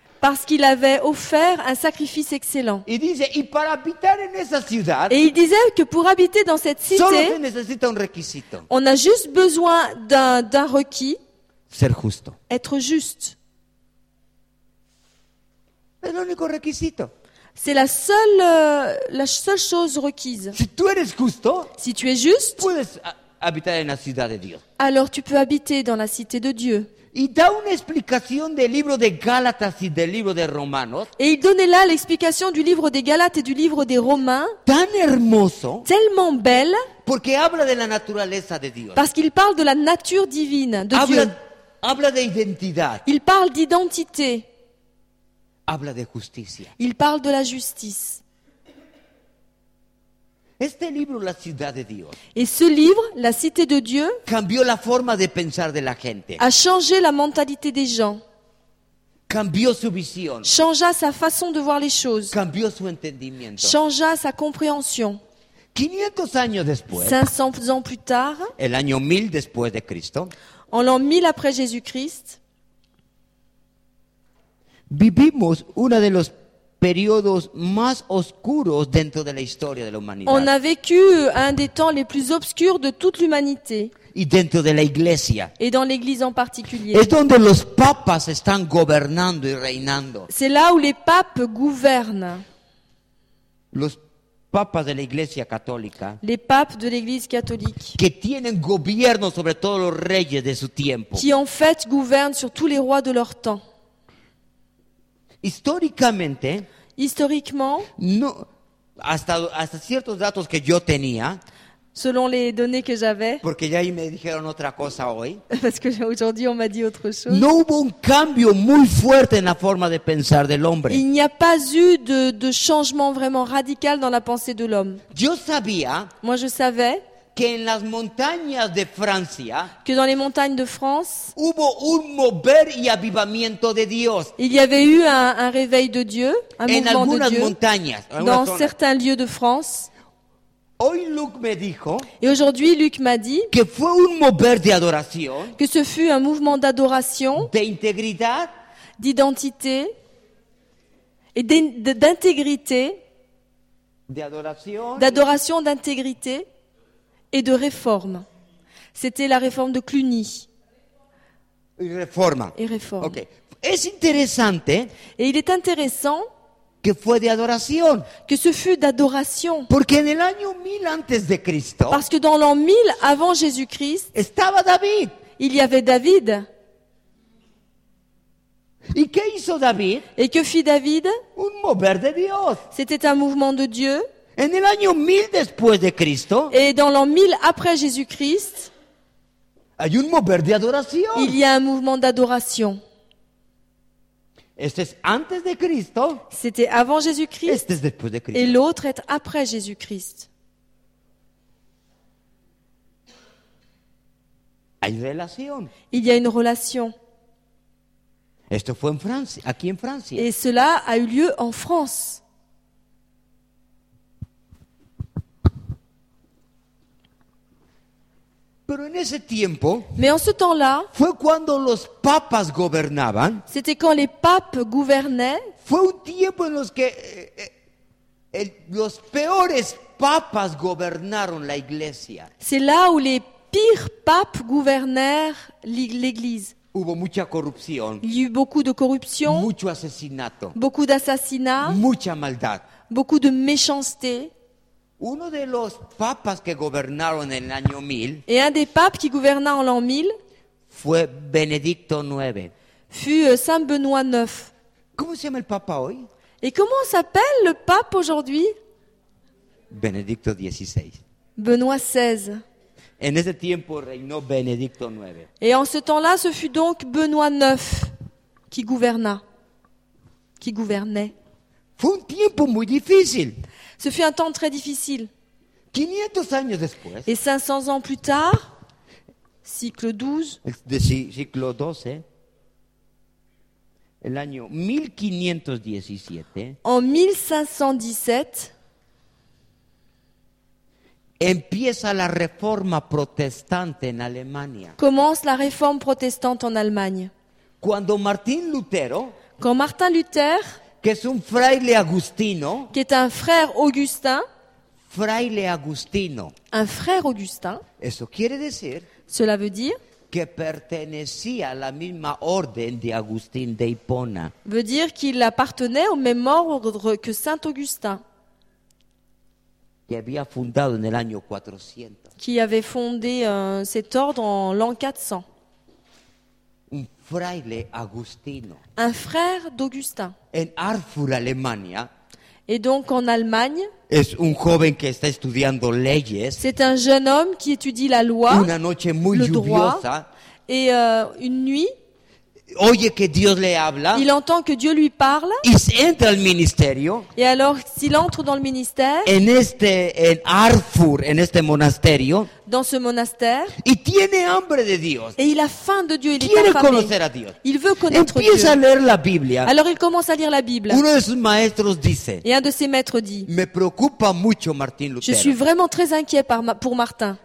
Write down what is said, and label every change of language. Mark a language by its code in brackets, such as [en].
[fr] Parce qu'il avait offert un sacrifice excellent. [es] Il disait, y para habitar en esa ciudad, [fr] et il disait que pour habiter dans cette cité, [es] solo se necesita un requisito. [fr] On a juste besoin d'un requis. [es] Ser justo. [fr] Être juste. [es] Es el único requisito. [fr] C'est la seule chose requise. [es] Si tú eres justo, [fr] si tu es juste, [es] puedes habitar en la ciudad de Dios. [fr] Alors tu peux habiter dans la cité de Dieu. [es] Y da una explicación del libro de Gálatas y del libro de Romanos. [fr] Et il donnait là l'explication du livre des Galates et du livre des Romains. [es] Tan hermoso. [fr] Tellement belle. [es] Porque habla de la naturaleza de Dios. [fr] Parce qu'il parle de la nature divine de [es] habla, [fr] Dieu. [es] Habla de identidad. [fr] Il parle d'identité. [es] Habla de justicia. [fr] Il parle de la justice. [es] Este libro, La Ciudad de Dios, [fr] et ce livre, La Cité de Dieu, [es] cambió la forma de pensar de la gente. [fr] A changé la mentalité des gens. [es] Cambió su visión. [fr] Changea sa façon de voir les choses. [es] Cambió su entendimiento. [fr] Changea sa compréhension. [es] 500 años después. [fr] 500 ans plus tard. [es] El año 1000 después de Cristo. [fr] En l'an 1000 après Jésus-Christ. [es] Vivimos uno de los periodos más oscuros dentro de la historia de la humanidad. [fr] On a vécu un des temps les plus obscurs de toute l'humanité. [es] Y dentro de la iglesia. [fr] Et dans l'église en particulier. [es] Es donde los papas están gobernando y reinando. [fr] C'est là où les papes gouvernent. [es] Los papas de la iglesia católica. [fr] Les papes de l'église catholique. [es] Que tienen gobierno sobre todos los reyes de su tiempo. [fr] Qui en fait gouvernent sur tous les rois de leur temps. [es] Históricamente. [fr] Historiquement. [es] No, hasta ciertos datos que yo tenía. [fr] Selon les données que j'avais. [es] Porque ya me dijeron otra cosa hoy. [fr] Parce que aujourd'hui on m'a dit autre chose. [es] No hubo un cambio muy fuerte en la forma de pensar del hombre. [fr] Il n'y a pas eu de changement vraiment radical dans la pensée de l'homme. [es] Yo sabía. [fr] Moi je savais. [es] Que en las montañas de Francia. [fr] Que dans les montagnes de France. [es] Hubo un mover y avivamiento de Dios. [fr] Il y avait eu un réveil de Dieu, un mouvement de Dieu. [es] En algunas montañas. [fr] Dans certains lieux de France. [es] Hoy Luc me dijo, [fr] et aujourd'hui Luc m'a dit [es] que, fue un mover de adoración, [fr] que ce fut un mouvement d'adoration, [es] de integridad, [fr] d'identité et d'intégrité, d'adoration, d'intégrité et de réforme. C'était la réforme de Cluny. Réforme. Et réforme. [es] Okay. Es interesante, [fr] et il est intéressant. [es] Que fue de adoración. [fr] Que ce fut d'adoration. [es] Porque en el año 1000 antes de Cristo. [fr] Parce que dans l'an 1000 avant Jésus-Christ. [es] Estaba David. [fr] Il y avait David. [es] ¿Y qué hizo David? [fr] Et que fit David? [es] Un mover de Dios. [fr] C'était un mouvement de Dieu. [es] En el año 1000 después de Cristo. [fr] Et dans l'an 1000 après Jésus-Christ. [es] Hay un mover de adoración. [fr] Il y a un mouvement d'adoration. [es] Este es antes de Cristo. [fr] C'était avant Jésus-Christ. [es] Este es después de Cristo. [fr] Et l'autre est après Jésus-Christ. [es] Hay relación. [fr] Il y a une relation. [es] Esto fue en Francia, aquí en Francia. [fr] Et cela a eu lieu en France. [es] Pero en ese tiempo, [fr] mais en ce temps-là, [es] fue cuando los papas gobernaban. [fr] C'était quand les papes gouvernaient. [es] Fue un tiempo en los que los peores papas gobernaron la iglesia. [fr] C'est là où les pires papes gouvernèrent l'église. [es] Hubo mucha corrupción. [fr] Il y eut beaucoup de corruption. [es] Mucho asesinato. [fr] Beaucoup d'assassinats. [es] Mucha maldad. [fr] Beaucoup de méchanceté. [es] Uno de los papas que gobernaron en el año 1000. [fr] Et un des papes qui gouverna en l'an 1000 [es] fue Benedicto IX. [fr] Fut Saint Benoît IX. [es] ¿Cómo se llama el papa hoy? [fr] Et comment s'appelle le pape aujourd'hui? [es] Benedicto XVI. [fr] Benoît XVI. [es] En ese tiempo reinó Benedicto IX. [fr] Et en ce temps-là, ce fut donc Benoît IX qui gouverna. Qui gouvernait. [es] Fue un tiempo muy difícil. [fr] Ce fut un temps très difficile. [es] 500 años después, [fr] et 500 ans plus tard, cycle 12, [es] cycle 12, el año 1517, [fr] en 1517, [es] empieza la reforma protestante en Alemania. [fr] Commence la réforme protestante en Allemagne. [es] Cuando Martín Lutero, [fr] quand Martin Luther, [es] que es un fraile agustino. [fr] Qui est un frère augustin. [es] Fraile agustino. [fr] Un frère augustin. [es] Eso quiere decir. [fr] Cela veut dire. [es] Que pertenecía a la misma orden de Agustín de Hipona. [fr] Veut dire qu'il appartenait au même ordre que Saint Augustin. [es] Que había fundado en el año 400. [fr] Qui avait fondé cet ordre en l'an 400. [es] Un fraile agustino. [fr] Un frère d'Augustin. En Erfurt, Allemagne. Et donc en Allemagne, [es] es un joven que está estudiando leyes. [fr] C'est un jeune homme qui étudie la loi. [es] Una noche muy [fr] le [es] lluviosa, [fr] droit. Et une nuit, [es] oye que Dios le habla, [fr] il entend que Dieu lui parle. [es] Y se entra al ministerio, [fr] et alors, s'il entre dans le ministère, [es] en este, en Arfur, en este monasterio, [fr] dans ce monastère, [es] y tiene hambre de Dios, [fr] et il a faim de Dieu, il [es] quiere [fr] est affamé, [es] conocer a Dios. [fr] Il veut connaître [es] empieza [fr] Dieu. [es] A leer la Biblia. [fr] Alors il commence à lire la Bible. [es] Uno de sus maestros dice, [fr] et un de ses maîtres dit, [es] me preocupa mucho Martin Lutero. [fr] Je suis vraiment très inquiet pour Martin.